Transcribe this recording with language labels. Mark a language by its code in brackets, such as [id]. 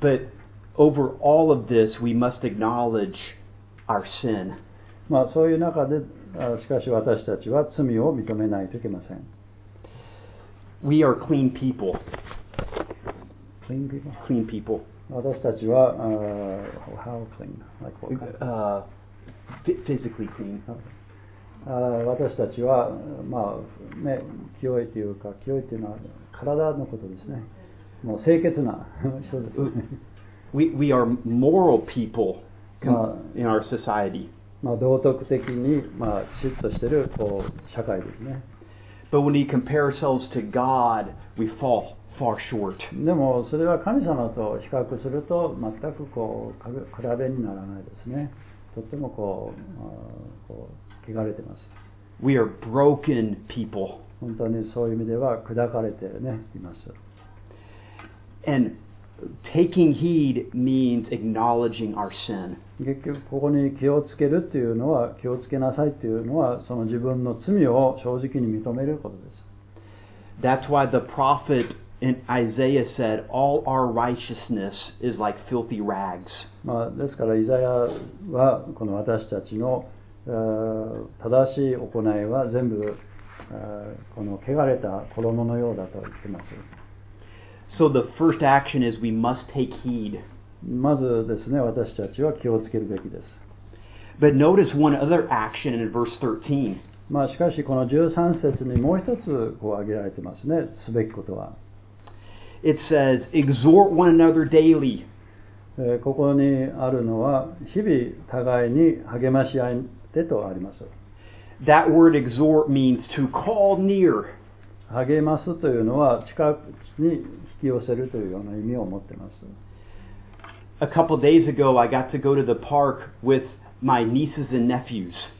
[en] But over all of this, we must acknowledge our sin. [ja] まあそういう中で、しかし私たちは罪を認めないといけません。 [en] We are clean people. Clean people. Clean people. [ja] 私たちは、 [en] how clean? Like what kind? Physically clean.、 [ja] 私たちは、まあね、清いというか、清いというのは体のことですね。もう清潔な人ですね。 [en] We are moral people in our society. [ja] まあ道徳的に、まあ、きちっとしてるこう社会ですね。 [en] But when we compare ourselves to God, we fall. Far short. [ja] でもそれは神様と比較すると全くこう比べにならないですね。とってもこう、汚れてます。 [en] We are broken people. [ja] 本当にそういう意味では砕かれてね、います。 [en] And taking heed means acknowledging our sin. [ja] 結局ここに気をつけるっていうのは、気をつけなさいっていうのは、その自分の罪を正直に認めることです。 [en] That's why the prophetAnd Isaiah said, "All our righteousness is like filthy rags." [ja] まあですからイザヤはこの私たちの正しい行いは全部この汚れた衣のようだと言ってます。 [en] So the first action is we must take heed. [ja] まずですね、私たちは気をつけるべきです。 [en] But notice one other action in verse 13. [ja] まあしかしこの13節にもう一つこう挙げられてますね、すべきことは。 [en] It says, exhort one another daily. [ja] ここにあるのは日々互いに励まし合ってとあります。 [en] That word exhort means to call near. [ja] 励ますというのは近くに引き寄せるというような意味を持っています。 [en] A couple days ago, I got to go to the park with my nieces and nephews.